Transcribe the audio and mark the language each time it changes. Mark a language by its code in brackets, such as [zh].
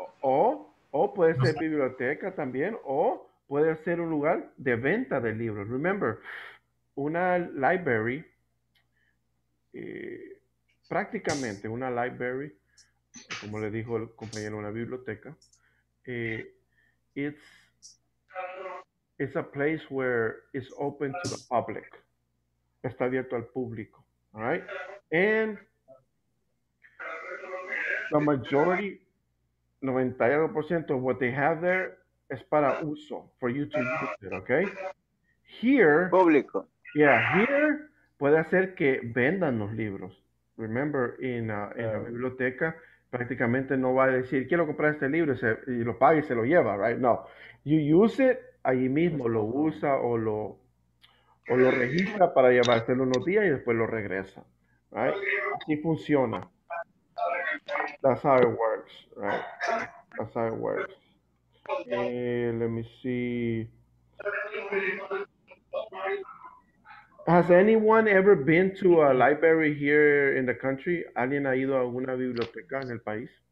[es] O puede ser biblioteca también, o puede ser un lugar de venta de libros. Remember, una library, prácticamente una library, como le dijo el compañero, una biblioteca. [en] It's a place where it's open to the public. [es] Está abierto al público. [en] All right? And the majority, 90% of what they have there is [es] para uso, [en] for you to use it, okay? Here. [es] Público. [en] Yeah, here [es] puede hacer que vendan los libros. [en] remember, in a [es] biblioteca, prácticamente no va a decir, quiero comprar este libro, y lo paga y se lo lleva, right? No. [en] You use it, [es] allí mismo lo usa o lo registra para llevárselo unos días y después lo regresa, right? Así funciona. [en] That's how it works, right? That's how it works. Let me see. Has anyone ever been to a library here in the country? [es] ¿Alguien ha ido a alguna biblioteca en el país?